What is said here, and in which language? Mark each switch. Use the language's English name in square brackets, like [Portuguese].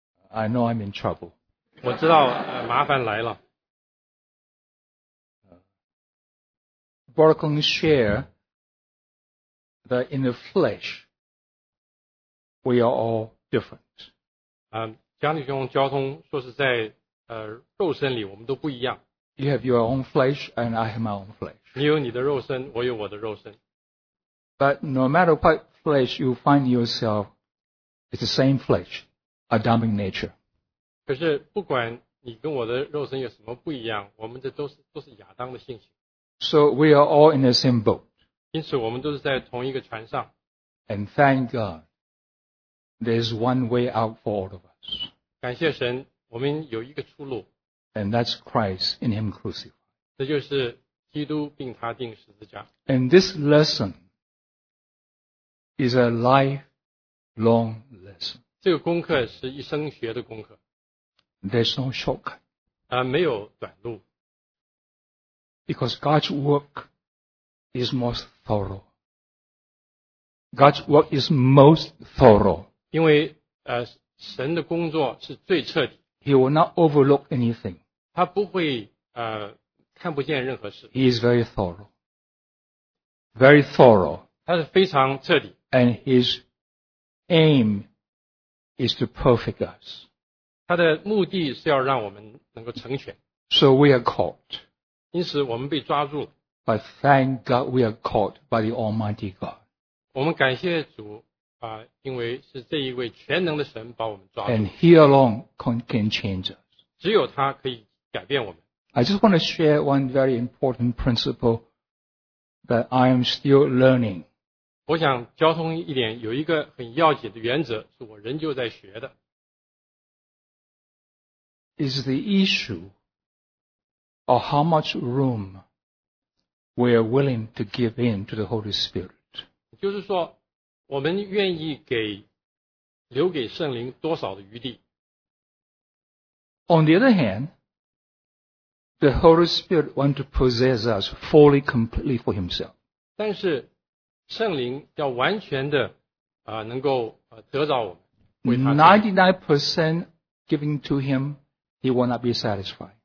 [English] I know I'm in trouble. [Chinese] 我知道, 麻烦来了。 [English] Brother Kong shared that in the flesh, we are all different. [Chinese] 蒋弟兄交通说是在, 肉身里, 我们都不一样。 [English] You have your own flesh, and I have my own flesh. [Chinese] 你有你的肉身, 我有我的肉身。 [English] But no matter what flesh you find yourself, it's the same flesh, a dumbing nature. [Chinese] 可是不管你跟我的肉身有什么不一样, 我们这都是亚当的性情。 [English] So we are all in the same boat. [Chinese] 因此我们都是在同一个船上。 [English] And thank God, there's one way out for all of us. [Chinese] 感谢神, 我们有一个出路。 [English] And that's Christ in Him crucified. And this lesson is a lifelong lesson. There's no shortcut. [Chinese] 没有短路。 [English] Because God's work is most thorough. God's work is most thorough. [Chinese] 因为, 神的工作是最彻底。 [English] He will not overlook anything. [Chinese] 他不会, [English] he is very thorough. Very thorough. [Chinese] 他是非常彻底, [English] and his aim is to perfect us. [Chinese] 他的目的是要让我们能够成全, [English] so we are caught. [Chinese] 因此我们被抓住, [English] but thank God we are caught by the Almighty God. [Chinese] 我们感谢主, 因为是这一位全能的神把我们抓住, [English] and He alone can change us. [Chinese] 只有他可以, [English] I just want to share one very important principle that I am still learning. [Chinese] 我想交通一点, 有一个很要紧的原则是我仍旧在学的。 [English] Is the issue of how much room we are willing to give in to the Holy Spirit. [Chinese] 就是说, 我们愿意给, 留给圣灵多少的余地。 [English] On the other hand, the Holy Spirit wants to possess us fully, completely for Himself. [Chinese] 但是圣灵要完全的, 能够, 得到我们, [English] 99% giving to Him, He will not be satisfied.